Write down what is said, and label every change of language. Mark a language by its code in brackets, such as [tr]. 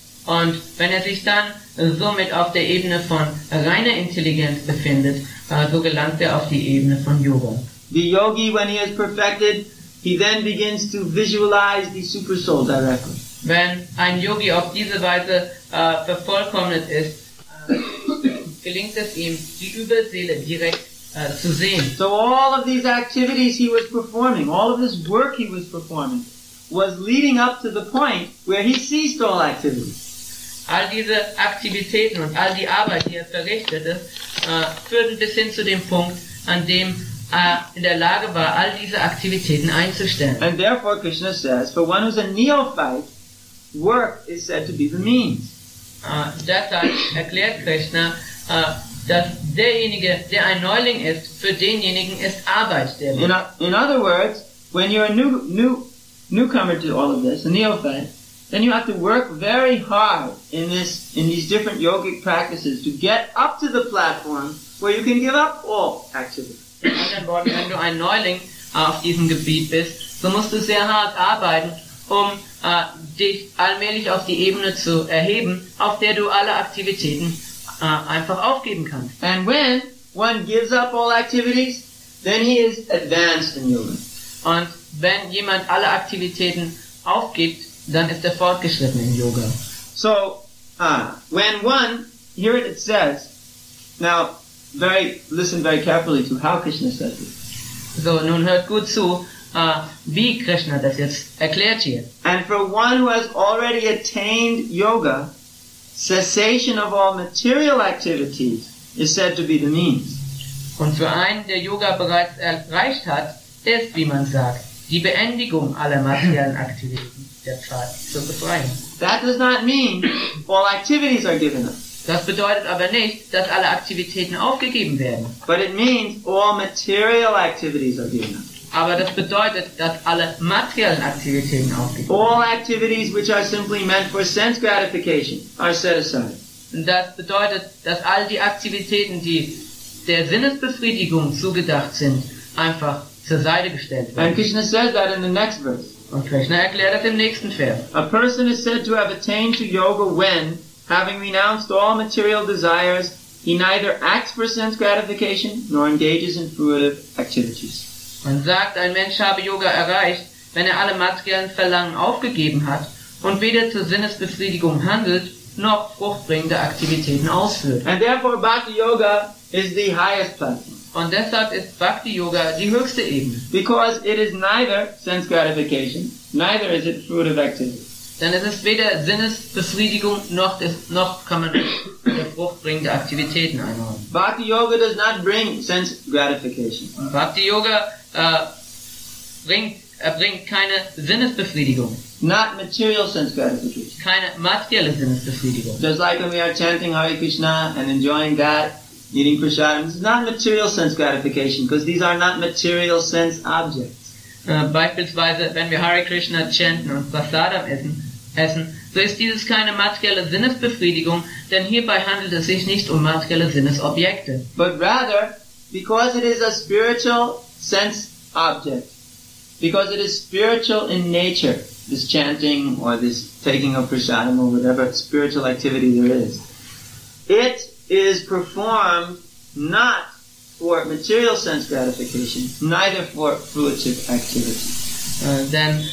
[de] Und wenn er sich dann somit auf der Ebene von reiner Intelligenz befindet, so gelangt er auf die Ebene von Yoga. [en] The yogi, when he has perfected, he then begins to visualize the super soul directly. [de] Wenn ein Yogi auf diese Weise vervollkommnet ist, gelingt es ihm, die Überseele direkt zu sehen. [en] So all of these activities he was performing, all of this work he was performing, was leading up to the point where he ceased all activities. [de] All diese Aktivitäten und all die Arbeit, die er verrichtete, führten bis hin zu dem Punkt, an dem er in der Lage war, all diese Aktivitäten einzustellen. [en] And therefore Krishna says, for one who's a neophyte, work is said to be the means. [de] Deshalb erklärt Krishna, dass derjenige, der ein Neuling ist, für denjenigen ist Arbeit der Weg. [en] In other words, when you're a newcomer to all of this, a neophyte, then you have to work very hard in these different yogic practices to get up to the platform where you can give up all activity. [de] In anderen Worten, wenn du ein Neuling auf diesem Gebiet bist, so musst du sehr hart arbeiten, um dich allmählich auf die Ebene zu erheben, auf der du alle Aktivitäten einfach aufgeben kannst. [en] And when one gives up all activities, then he is advanced in yoga. [de] Und wenn jemand alle Aktivitäten aufgibt, dann ist er fortgeschritten in Yoga. [en] So, when one, here it says, now, listen very carefully to how Krishna says this. [de] So, nun hört gut zu, wie Krishna das jetzt erklärt hier. [en] And for one who has already attained yoga, cessation of all material activities is said to be the means. [de] Und für einen, der Yoga bereits erreicht hat, ist, wie man sagt, die Beendigung aller materiellen Aktivitäten. [en] That does not mean all activities are given up. [de] Das bedeutet aber nicht, dass alle Aktivitäten aufgegeben werden. [en] But it means all material activities are given up. [de] Aber das bedeutet, dass alle materiellen Aktivitäten aufgegeben werden. [en] All activities which are simply meant for sense gratification are set aside. [de] Das bedeutet, dass all die Aktivitäten, die der Sinnesbefriedigung zugedacht sind, einfach zur Seite gestellt werden. [en] And Krishna says that in the next verse. [de] Und Krishna erklärt das im nächsten Vers. [en] A person is said to have attained to yoga when, having renounced all material desires, he neither acts for sense gratification nor engages in fruitive activities. [de] Man sagt, ein Mensch habe Yoga erreicht, wenn er alle materiellen Verlangen aufgegeben hat und weder zur Sinnesbefriedigung handelt, noch fruchtbringende Aktivitäten ausführt. [en] And therefore Bhakti Yoga is the highest platform. [de] Und deshalb ist Bhakti Yoga die höchste Ebene. [en] Because it is neither sense gratification, neither is it fruit of activity. [de] Denn es ist weder Sinnesbefriedigung noch kann man fruchtbringende Aktivitäten einordnen. [en] Bhakti Yoga does not bring sense gratification. [de] Bhakti Yoga bringt keine Sinnesbefriedigung. [en] Not material sense gratification. [de] Keine materielle Sinnesbefriedigung. [en] Just like when we are chanting Hare Krishna and enjoying that. Eating prasadam is not material sense gratification, because these are not material sense objects. [de] Beispielsweise, wenn wir Hare Krishna chanten und Prasadam essen, so ist dieses keine materielle Sinnesbefriedigung, denn hierbei handelt es sich nicht um materielle Sinnesobjekte. [en] But rather, because it is a spiritual sense object, because it is spiritual in nature, this chanting or this taking of prasadam or whatever spiritual activity there is, it is performed not for material sense gratification, neither for fruitive activity.